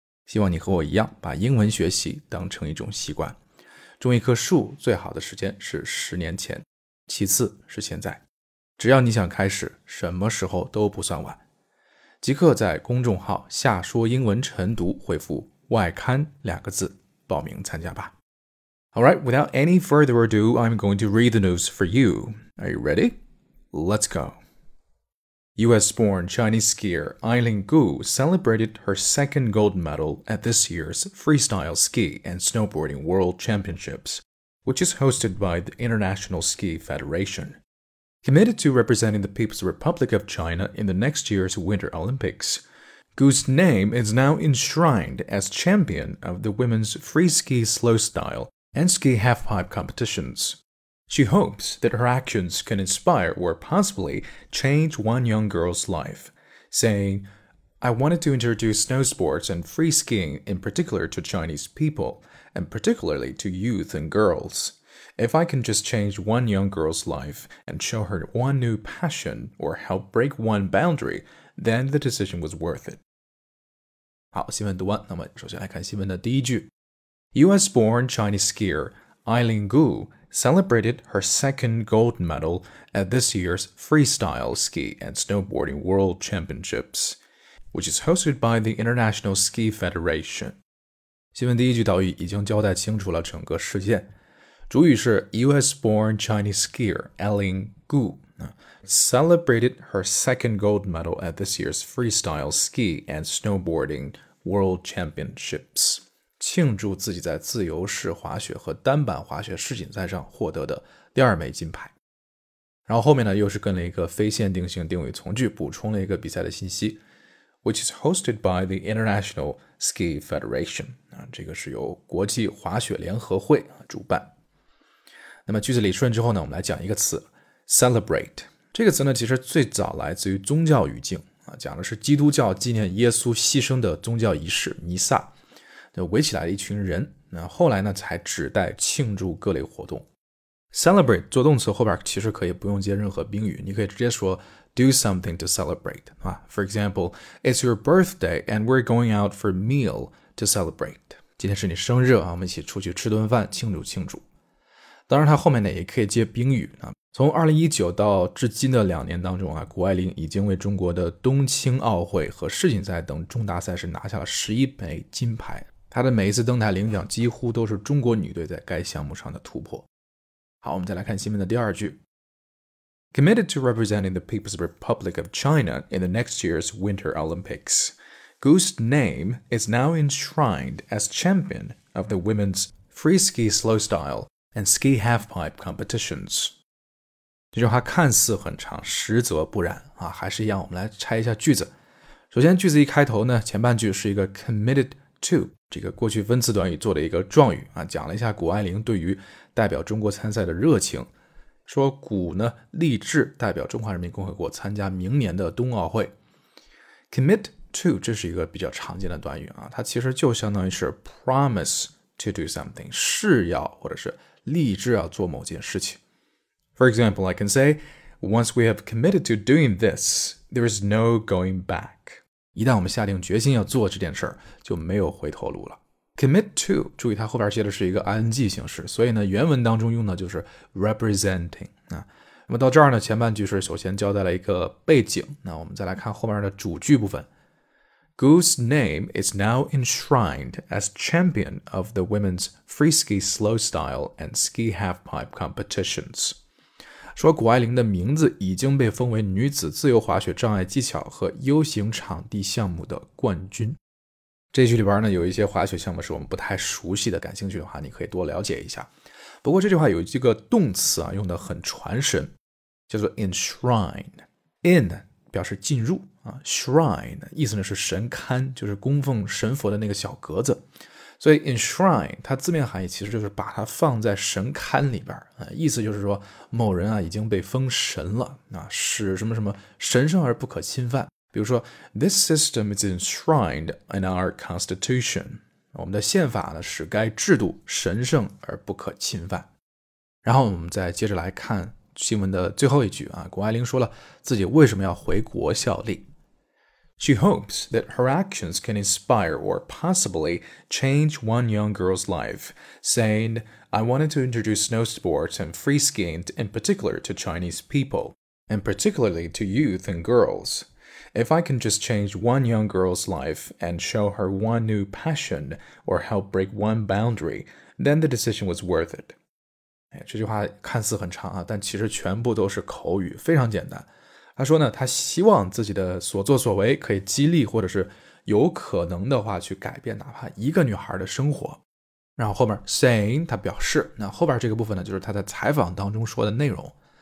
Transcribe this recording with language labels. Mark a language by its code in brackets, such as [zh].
[zh] 希望你和我一样，把英文学习当成一种习惯。种一棵树最好的时间是十年前，其次是现在。只要你想开始，什么时候都不算晚。即刻在公众号夏说英文晨读回复外刊两个字报名参加吧。 [en] Alright, without any further ado, I'm going to read the news for you. Are you ready? Let's go. US-born Chinese skier Eileen Gu celebrated her second gold medal at this year's Freestyle Ski and Snowboarding World Championships, which is hosted by the International Ski Federation. Committed to representing the People's Republic of China in the next year's Winter Olympics,Gu's name is now enshrined as champion of the women's free ski slow style and ski halfpipe competitions. She hopes that her actions can inspire or possibly change one young girl's life, saying, I wanted to introduce snow sports and free skiing in particular to Chinese people, and particularly to youth and girls. If I can just change one young girl's life and show her one new passion or help break one boundary, then the decision was worth it. [zh] 好，新闻读完，那么首先来看新闻的第一句。 [en] US-born Chinese skier Eileen Gu celebrated her second gold medal at this year's Freestyle Ski and Snowboarding World Championships, which is hosted by the International Ski Federation. [zh] 新闻第一句导语已经交代清楚了整个事件。主语是 [en] US-born Chinese skier Eileen Gu. Celebrated her second gold medal at this year's Freestyle Ski and Snowboarding World Championships. [zh] 庆祝自己在自由式滑雪和单板滑雪世锦赛上获得的第二枚金牌。然后后面呢又是跟了一个非限定性定语从句，补充了一个比赛的信息。 [en] Which is hosted by the International Ski Federation. [zh] 这个是由国际滑雪联合会主办。那么句子理顺之后呢，我们来讲一个词。Celebrate 这个词呢，其实最早来自于宗教语境啊，讲的是基督教纪念耶稣牺牲的宗教仪式弥撒，就围起来的一群人。那后来呢，才指代庆祝各类活动。 Celebrate 做动词后边其实可以不用接任何宾语，你可以直接说 [en] do something to celebrate [zh] 啊。 [en] For example, it's your birthday and we're going out for a meal to celebrate. [zh] 今天是你生日啊，我们一起出去吃顿饭庆祝庆祝。当然，它后面呢也可以接宾语啊。从2019到至今的两年当中啊，谷爱凌已经为中国的冬青奥会和世锦赛等重大赛事拿下了11枚金牌。她的每一次登台领奖几乎都是中国女队在该项目上的突破。好，我们再来看新闻的第二句。 Committed to representing the People's Republic of China in the next year's Winter Olympics, Gu's name is now enshrined as champion of the women's free ski slow style and ski halfpipe competitions. 这句话看似很长，实则不然啊！还是一样，我们来拆一下句子。首先，句子一开头呢，前半句是一个 committed to 这个过去分词短语做的一个状语啊，讲了一下谷爱凌对于代表中国参赛的热情。说鼓呢立志代表中华人民共和国参加明年的冬奥会。 commit to 这是一个比较常见的短语啊，它其实就相当于是 [en] promise to do something， [zh] 誓要或者是立志要做某件事情。 [en] For example, I can say once we have committed to doing this, there is no going back。 [zh] 一旦我们下定决心要做这件事，就没有回头路了。 Commit to， 注意它后边接的是一个 ing 形式，所以呢原文当中用的就是 representing、啊、那么到这儿呢前半句是首先交代了一个背景，那我们再来看后面的主句部分。 [en] Gu's name is now enshrined as champion of the women's free ski slopestyle and ski halfpipe competitions。 [zh] 说谷爱凌的名字已经被封为女子自由滑雪障碍技巧和 U 型场地项目的冠军。这句里边呢有一些滑雪项目是我们不太熟悉的，感兴趣的话你可以多了解一下。不过这句话有一个动词啊用得很传神，叫做 enshrine。 in 表示进入啊， shrine 意思呢是神龛，就是供奉神佛的那个小格子，所以 enshrine 它字面含义其实就是把它放在神龛里边、啊、意思就是说某人啊已经被封神了啊，使什么什么神圣而不可侵犯。比如说 [en] This system is enshrined in our constitution， [zh] 我们的宪法呢使该制度神圣而不可侵犯。然后我们再接着来看新闻的最后一句啊，谷爱凌说了自己为什么要回国效力。 [en] She hopes that her actions can inspire or possibly change one young girl's life, saying, I wanted to introduce snow sports and free skiing in particular to Chinese people, and particularly to youth and girls. If I can just change one young girl's life and show her one new passion or help break one boundary, then the decision was worth it. [zh] 这句话看似很长啊，但其实全部都是口语，非常简单。他说呢，他希望自己的所作所为可以激励或者是有可能的话去改变哪怕一个女孩的生活。然后后面 saying 他表示，那后边这个部分呢，就是他在采访当中说的内容。